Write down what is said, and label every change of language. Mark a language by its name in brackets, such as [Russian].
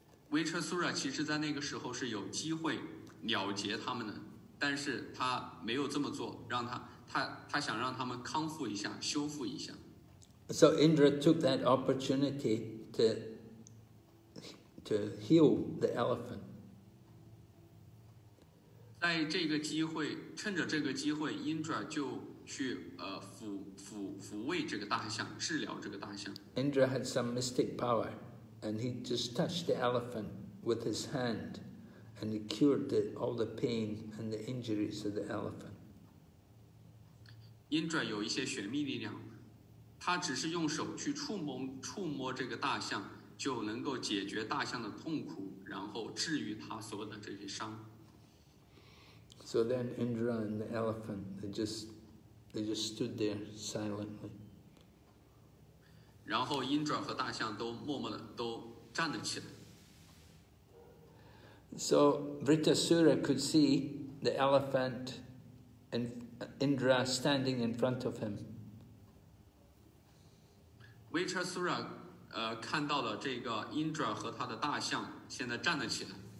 [Chinese] 维彻苏拉其实在那个时候是有机会了结他们的，但是他没有这么做，让他想让他们康复一下，修复一下。 [English] So Indra took that opportunity to heal the elephant. [Chinese] 在这个机会，趁着这个机会 ，Indra 就去抚慰这个大象，治疗这个大象。 [English] Indra had some mystic power. And he just touched the elephant with his hand, and he cured all the pain and the injuries of the elephant. [Chinese] Indra 有一些玄秘力量，他只是用手去触摸这个大象，就能够解决大象的痛苦，然后治愈他所有的这些伤。 [English] So then Indra and the elephant, they just stood there silently. [Chinese] 然后英爪和大象都默默地都站了起来。 [English] So Vritasura could see the elephant and Indra standing in front of him. [Chinese] Vritasura, 看到了这个英爪和他的大象现在站了起来。